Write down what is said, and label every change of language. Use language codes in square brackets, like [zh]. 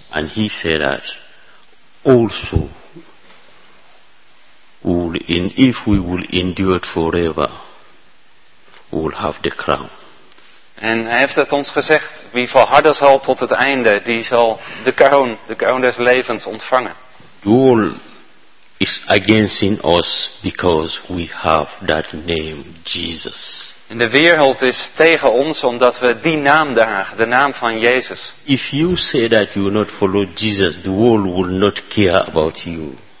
[en] And he said that. Also, will in, if we will endure it forever, we will have the crown. [nl] En hij heeft het ons gezegd: wie volharden zal tot het einde, die zal de kroon des levens ontvangen. [en] The world is against in us because we have that name, Jesus. [nl] En de wereld is tegen ons omdat we die naam dragen, de naam van Jezus. [en] If you say that you will not follow Jesus, the world will not care about you.